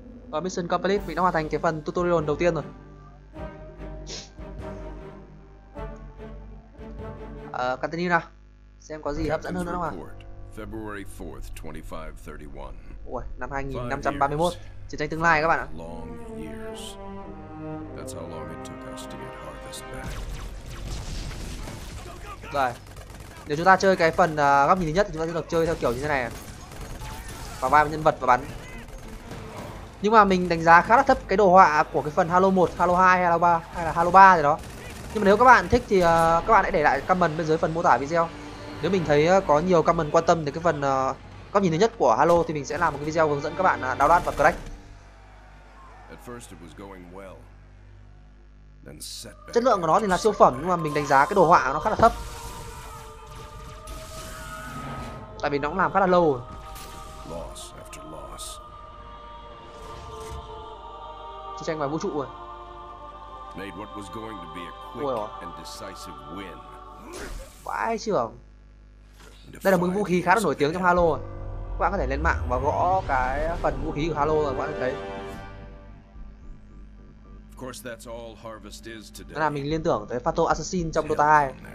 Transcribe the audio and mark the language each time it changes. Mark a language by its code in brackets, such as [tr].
[vi] Và mission complete, mình đã hoàn thành cái phần tutorial đầu tiên rồi. Continue nào. Xem có gì hấp dẫn hơn nữa không ạ? [en] February 4th, 2531. [vi] Ủa, năm 2531. Chiến tranh tương lai các bạn ạ. [en] Long years. That's how long it took us to get harvest back. [vi] Rồi. Nếu chúng ta chơi cái phần góc nhìn thứ nhất thì chúng ta sẽ được chơi theo kiểu như thế này. Vào vai nhân vật và bắn. Nhưng mà mình đánh giá khá là thấp cái đồ họa của cái phần Halo 1, Halo 2, Halo 3 hay là Halo 3 gì đó. Nhưng mà nếu các bạn thích thì các bạn hãy để lại comment bên dưới phần mô tả video. Nếu mình thấy có nhiều comment quan tâm đến cái phần góc nhìn thứ nhất của Halo thì mình sẽ làm một cái video hướng dẫn các bạn download và crack. [en] At first it was going well. Then setback. [vi] Chất lượng của nó thì là siêu phẩm nhưng mà mình đánh giá cái đồ họa của nó khá là thấp. Tại vì nó cũng làm khá là lâu rồi. [en] Loss after loss. [vi] Chiến tranh ngoài vũ trụ rồi. [en] Made what was going to be a quick and decisive win. [vi] Vãi chưởng. Đây là một vũ khí khá là nổi tiếng trong Halo. Các bạn có thể lên mạng và gõ cái phần vũ khí của Halo rồi các bạn thấy. [en] Of course that's all Harvest is today. [vi] Đó là mình liên tưởng tới Fatal Assassin trong Dota 2.